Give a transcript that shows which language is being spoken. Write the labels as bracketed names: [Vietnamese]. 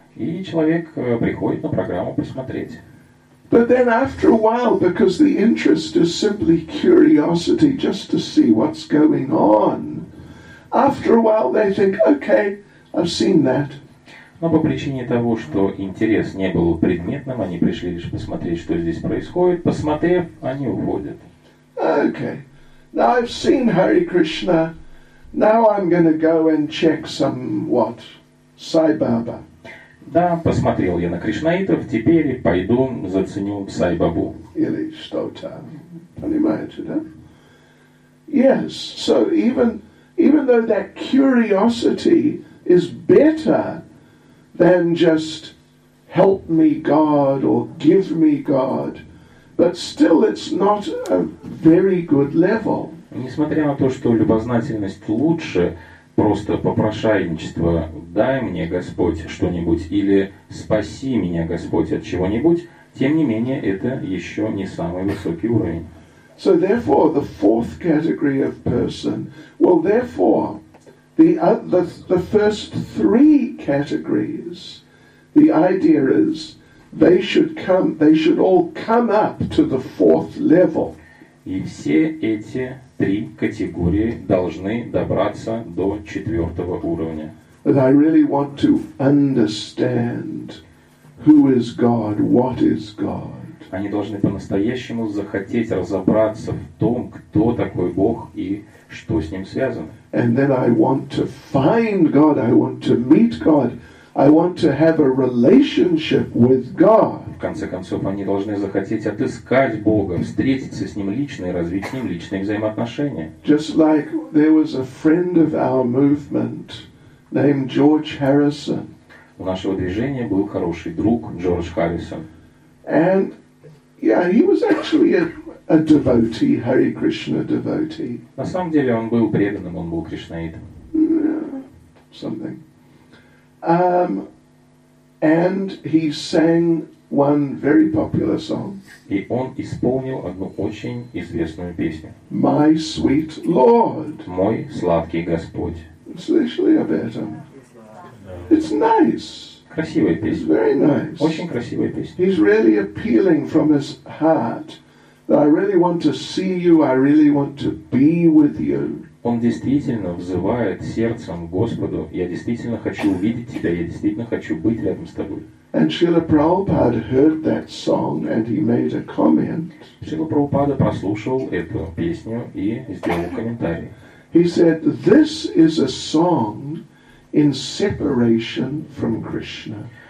[Russian] И человек приходит на программу посмотреть. [English] But then after a while, because the interest is simply curiosity, just to see what's going on, after a while they think, okay, I've seen that. [Russian] Но по причине того, что интерес не был предметным, они пришли лишь посмотреть, что здесь происходит. Посмотрев, они уходят. [English] Okay, now I've seen Hare Krishna. Now I'm going to go and check some what. [Russian] Сай Баба. Да, посмотрел я на кришнаитов, теперь пойду заценю Сай Бабу. Или что там, понимаете, да? [English] Yes, so even though that curiosity is better than just help me God or give me God, but still it's not a very good level. [Russian] Несмотря на то, что любознательность лучше просто попрошайничество, дай мне Господь что-нибудь или спаси меня Господь от чего-нибудь, тем не менее это еще не самый высокий уровень. [English] So therefore, the fourth category of person. Well, therefore, the first three categories. The idea is they should come. They should all come up to the fourth level. [Russian] И все эти три категории должны добраться до четвертого уровня. [English] And I really want to understand who is God, what is God. [Russian] Они должны по-настоящему захотеть разобраться в том, кто такой Бог и что с ним связано. [English] And then I want to find God, I want to meet God, I want to have a relationship with God. [Russian] В конце концов, они должны захотеть отыскать Бога, встретиться с ним лично и развить с ним личные взаимоотношения. [English] Just like there was a friend of our movement named George Harrison. [Russian] У нашего движения был хороший друг Джордж Харрисон. [English] And yeah, he was actually a devotee, Hare Krishna devotee. [Russian] На самом деле он был преданным, он был кришнаитом. [English] Something. And he sang one very popular song. [Russian] И он исполнил одну очень известную песню. [English] My sweet Lord. [Russian] Мой сладкий Господь. [English] Especially a better. It's nice. [Russian] Красивая песня. [English] It's very nice. [Russian] Очень красивая песня. [English] He's really appealing from his heart. I really want to see you. I really want to be with you. [Russian] Он действительно взывает сердцем Господу. Я действительно хочу увидеть тебя. Я действительно хочу быть рядом с тобой. [English] And Srila Prabhupada heard that song and he made a comment. [Russian] Srila Prabhupada прослушал эту песню и сделал комментарий. [English] He said, "This is a song in separation from Krishna."